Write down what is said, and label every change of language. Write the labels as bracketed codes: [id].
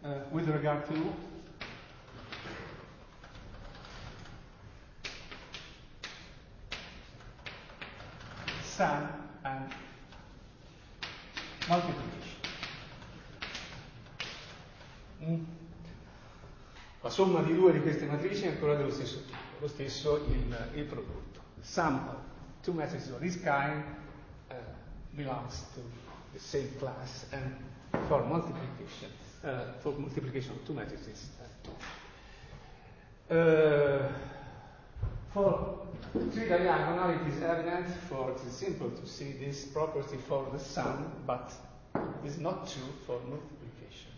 [en] with regard to sum and multiplication. [it] La somma di due di queste matrici è ancora dello stesso tipo, lo stesso il prodotto. [en] Sum of two matrices of this kind belongs to the same class and for multiplication of two matrices. For three diagonal, it is evident, for it is simple to see this property for the sum, but it is not true for multiplication.